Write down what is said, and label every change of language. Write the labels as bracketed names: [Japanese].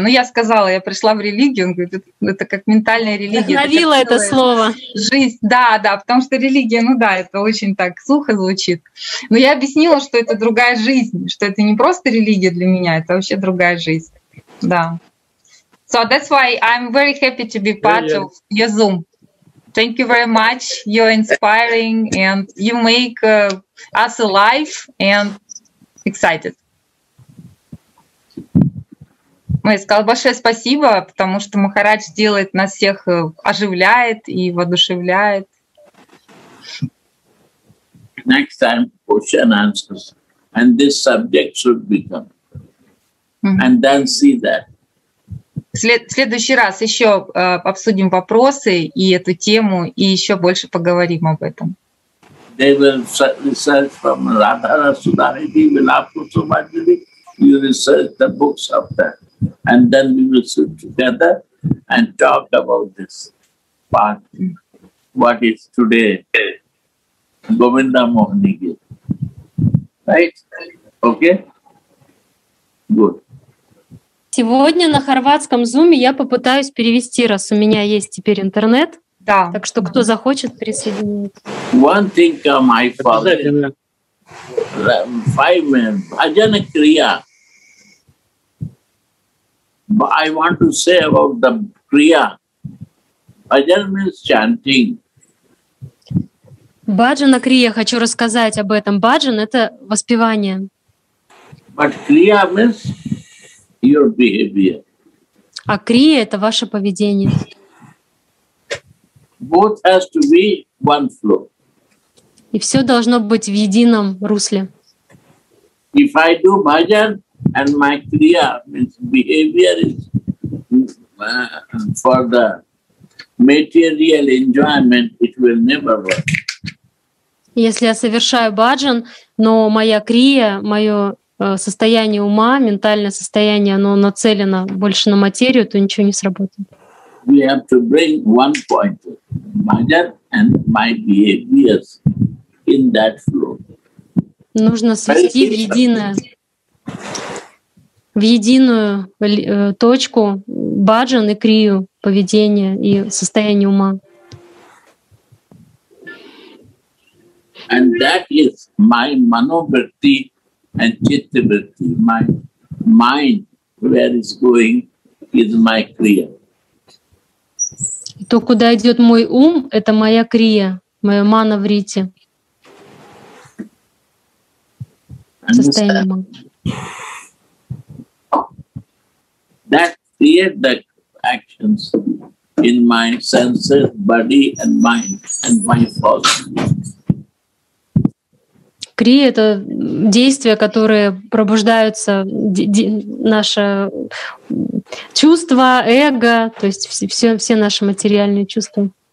[Russian] Ну, я сказала, я пришла в религию, он говорит, это как ментальная религия. Вдохновила это слово. Жизнь, да, да, потому что религия, ну да, это очень так сухо звучит. Но я объяснила, что это другая жизнь, что это не просто религия для меня, это вообще другая жизнь, да. [English] So that's why I'm very happy to be part of your Zoom. Thank you very much. You're inspiring and you make us alive and excited. [Russian] Мы сказали большое спасибо, потому что Махарадж делает нас всех, оживляет и воодушевляет. [English] Next time question answers and this subject should become. And then see that. [Russian] В следующий раз еще обсудим вопросы и эту тему, и еще больше поговорим об этом. [English] They will research from Radhara Sudhariti, Vilapur Subhadri, you research the books of that. And then we will sit together and talk about this part, what is today, Govinda Mohini Giri. Right? Okay? Good. [Russian] Сегодня на хорватском зуме я попытаюсь перевести, раз у меня есть теперь интернет. Да. Так что кто захочет, присоединиться. [English] One thing come, I found five minutes. Bhajana Kriya. I want to say about the Kriya. Bhajan means chanting. [Russian] Bhajana Kriya, хочу рассказать об этом. Bhajan — это воспевание. [English] But Kriya means your behavior. [Russian] А крия — это ваше поведение. [English] Both has to be one flow. [Russian] И все должно быть в едином русле. [English] If I do bhajan and my kriya means behavior is for the material enjoyment, it will never work. [Russian] Если я совершаю bhajan, но моя крия, мое состояние ума, ментальное состояние, оно нацелено больше на материю, то ничего не сработает. [English] We have to bring one point, bhajan and my behaviors in that flow. [Russian] Нужно свести в единое, в единую точку bhajan и крию, поведение и состояние ума. [English] And that is my manovritti. And chittavritti, my mind, where is going, is my kriya. [Russian] То, куда идет мой ум, это моя крия, моя мана вритти. [English] That create the actions in my senses, body and mind, and my thoughts. [Russian] Крия — это действия, которые пробуждаются, наше чувство, эго, то есть все наши материальные чувства.